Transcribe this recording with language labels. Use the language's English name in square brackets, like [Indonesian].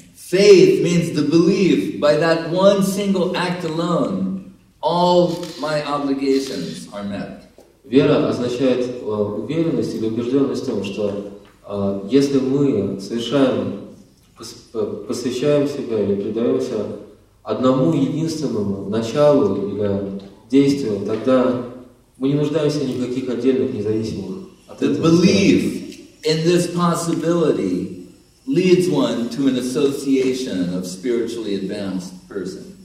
[English] Faith means the belief by that one single act alone, all my obligations are met. [Russian] Вера означает уверенность или убежденность в том, что если мы совершаем, посвящаем себя или предаемся одному единственному началу или действию, тогда мы не нуждаемся в никаких отдельных независимых от этого. [English] Belief in this possibility leads one to an association of spiritually advanced person.